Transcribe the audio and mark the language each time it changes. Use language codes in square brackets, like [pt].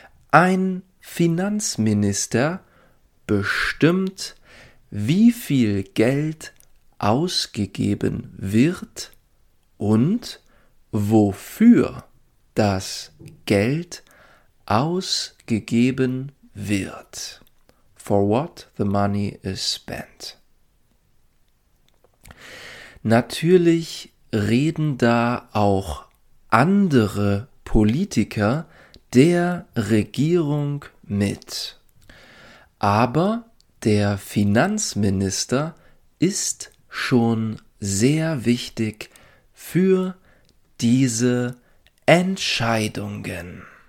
[de] Ein Finanzminister bestimmt, wie viel Geld ausgegeben wird und wofür das Geld ausgegeben wird. [en] For what the money is spent. [de] Natürlich reden da auch andere Politiker der Regierung mit. Aber der Finanzminister ist schon sehr wichtig für diese Entscheidungen.